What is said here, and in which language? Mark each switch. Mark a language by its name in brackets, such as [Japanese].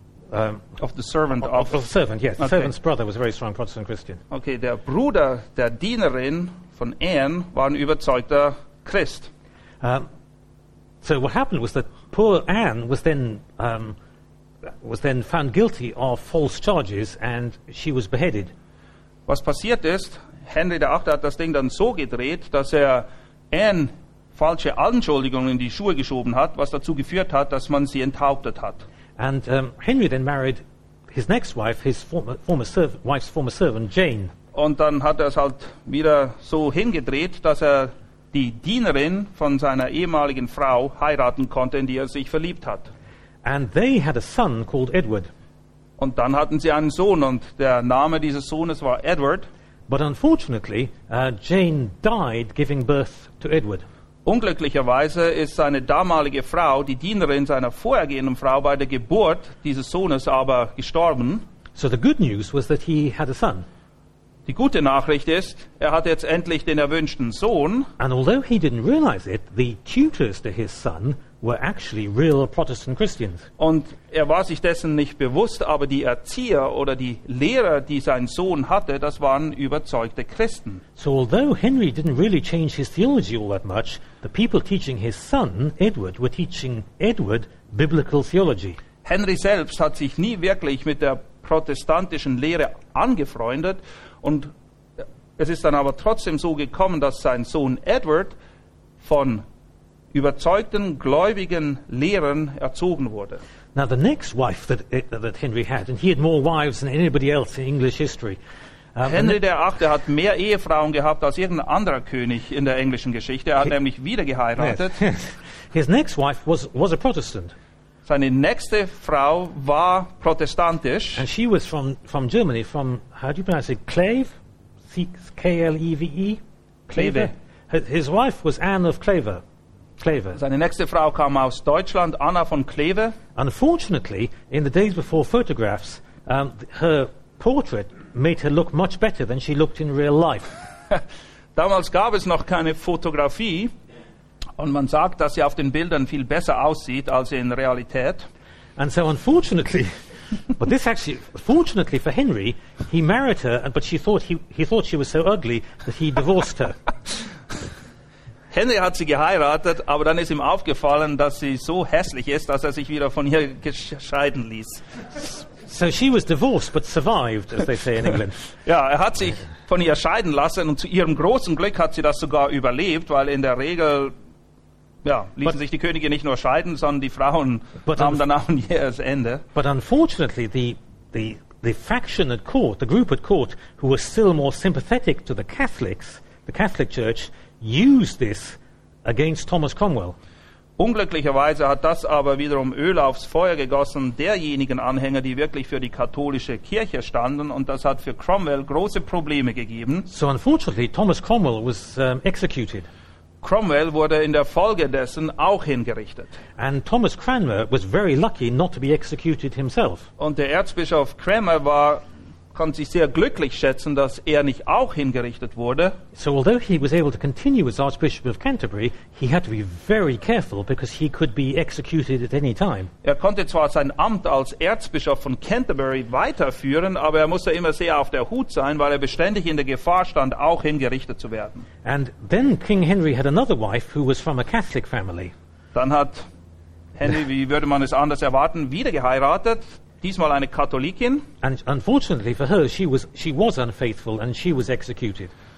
[English] Servant's brother was a very strong Protestant Christian. [German] Okay, der Bruder der Dienerin von Anne war ein überzeugter Christ. [English] So what happened was that poor Anne was then was then found guilty of false charges and she was beheaded. [German] Was passiert ist, Henry VIII hat das Ding dann so gedreht, dass er Anne falsche Anschuldigungen in die Schuhe geschoben hat, was dazu geführt hat, dass man sie enthauptet hat. [English] And Henry then married his next wife, his wife's former servant Jane. [German] Und dann hat er es halt wieder so hingedreht, dass er die Dienerin von seiner ehemaligen Frau heiraten konnte, in die er sich verliebt hat. [English] And they had a son called Edward. [German] Und dann hatten sie einen Sohn und der Name dieses Sohnes war Edward. [English] But unfortunately, Jane died giving birth to Edward. [German] Unglücklicherweise ist seine damalige Frau, die Dienerin seiner vorhergehenden Frau, bei der Geburt dieses Sohnes aber gestorben. [English] So the good news was that he had a son. [German] Die gute Nachricht ist, er hat jetzt endlich den erwünschten Sohn. [English] And although he didn't realize it, the tutors to his son were actually real Protestant Christians. [German] Und er war sich dessen nicht bewusst, aber die Erzieher oder die Lehrer, die sein Sohn hatte, das waren überzeugte Christen. [English] So although Henry didn't really change his theology all that much, the people teaching his son, Edward, were teaching Edward biblical theology. [German] Henry selbst hat sich nie wirklich mit der protestantischen Lehre angefreundet und es ist dann aber trotzdem so gekommen, dass sein Sohn Edward von überzeugten, gläubigen Lehrern erzogen wurde. [English] Now the next wife that Henry had, and he had more wives than anybody else in English history. [German] Henry der Achte hat mehr Ehefrauen gehabt als irgendein anderer König in der englischen Geschichte. Er hat nämlich wieder geheiratet. [English] Yes. His next wife was a Protestant. [German] Seine nächste Frau war protestantisch. [English] And she was from Germany, from, how do you pronounce it, Clave? C-L-E-V-E? Clave. His wife was Anne of Clave. Clever. [German] Seine nächste Frau kam aus Deutschland, Anna von Kleve. [English] Unfortunately, in the days before photographs, her portrait made her look much better than she looked in real life. [German] Damals gab es noch keine Fotografie und man sagt, dass sie auf den Bildern viel besser aussieht als in Realität. [English] And so unfortunately, but this actually, fortunately for Henry, he married her, but he thought she was so ugly that he divorced her. [German] Henry hat sie geheiratet, aber dann ist ihm aufgefallen, dass sie so hässlich ist, dass er sich wieder von ihr scheiden ließ. [English] So she was divorced but survived, as they say in England. [German] Ja, er hat sich von ihr scheiden lassen und zu ihrem großen Glück hat sie das sogar überlebt, weil in der Regel ließen sich die Könige nicht nur scheiden, sondern die Frauen haben dann auch ein jähes Ende. [English] But unfortunately the faction at court, the group at court who were still more sympathetic to the Catholics, the Catholic Church, use this against Thomas Cromwell. [German] Unglücklicherweise hat das aber wiederum Öl aufs Feuer gegossen derjenigen Anhänger, die wirklich für die katholische Kirche standen, und das hat für Cromwell große Probleme gegeben. [English] So unfortunately Thomas Cromwell was executed. [German] Cromwell wurde in der Folge dessen auch hingerichtet. [English] And Thomas Cranmer was very lucky not to be executed himself. [German] Und der Erzbischof Cranmer konnte sich sehr glücklich schätzen, dass er nicht auch hingerichtet wurde. [English] So although he was able to continue as Archbishop of Canterbury, he had to be very careful because he could be executed at any time. [German] Er konnte zwar sein Amt als Erzbischof von Canterbury weiterführen, aber er musste immer sehr auf der Hut sein, weil er beständig in der Gefahr stand, auch hingerichtet zu werden. [English] And then King Henry had another wife who was from a Catholic family. [German] Dann hat Henry, wie würde man es anders erwarten, wieder geheiratet. Diesmal eine Katholikin. [English] And unfortunately for her, she was unfaithful and she was executed.